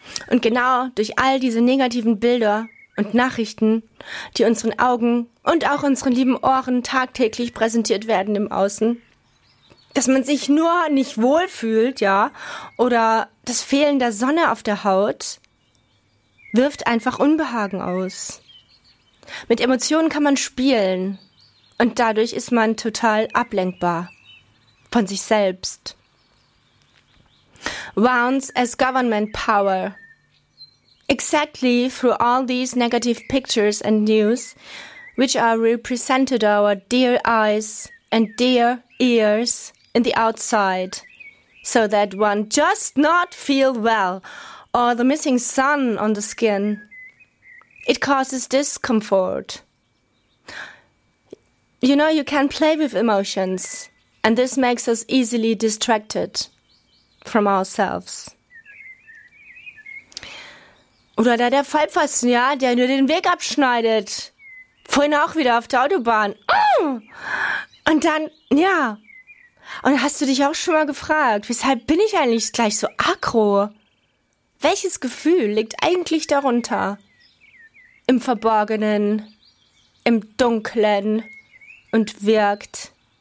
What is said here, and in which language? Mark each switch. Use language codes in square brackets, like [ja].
[de] Und genau durch all diese negativen Bilder und Nachrichten, die unseren Augen und auch unseren lieben Ohren tagtäglich präsentiert werden im Außen, dass man sich nur nicht wohl fühlt, ja, oder das Fehlen der Sonne auf der Haut, wirft einfach Unbehagen aus. Mit Emotionen kann man spielen und dadurch ist man total ablenkbar von sich selbst. [en] Wounds as government power. Exactly through all these negative pictures and news, which are represented our dear eyes and dear ears in the outside, so that one just not feel well, or the missing sun on the skin. It causes discomfort. You know, you can play with emotions, and this makes us easily distracted from ourselves. [de] Oder da der Vollpfosten, ja, der nur den Weg abschneidet. Vorhin auch wieder auf der Autobahn. Und dann, ja. Und hast du dich auch schon mal gefragt, weshalb bin ich eigentlich gleich so aggro? Welches Gefühl liegt eigentlich darunter? Im Verborgenen, im Dunklen und wirkt.